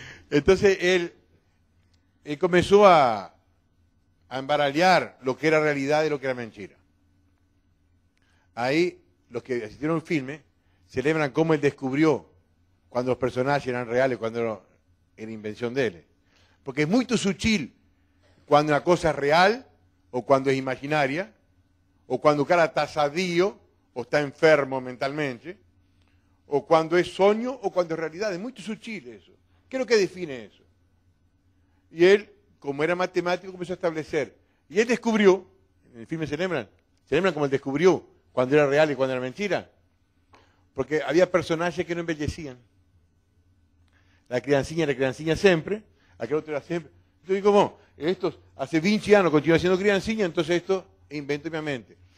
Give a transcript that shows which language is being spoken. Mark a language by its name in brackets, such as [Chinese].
[Spanish] Entonces él comenzó a embaraliar lo que era realidad y lo que era mentira. Ahí, los que asistieron al filme, celebran cómo él descubrió cuando los personajes eran reales, cuando era invención de él. Porque es muy sutil cuando una cosa es real o cuando es imaginaria, [Portuguese] o quando o cara está sadio ou está enfermo mentalmente, ou quando é sonho ou quando é realidade. É muito sutil isso. O que é que define isso? E ele, como era matemático, começou a estabelecer. E ele descubriu, [Spanish] en el filme [Portuguese] se lembran, [Spanish] como él descubrió cuando era real y cuando era mentira. Porque había personajes que no embellecían. La criancinha siempre, aquel otro era siempre. Yo digo, ¿cómo? Esto hace 20 años continúa haciendo criancinha, entonces esto invento en mi mente.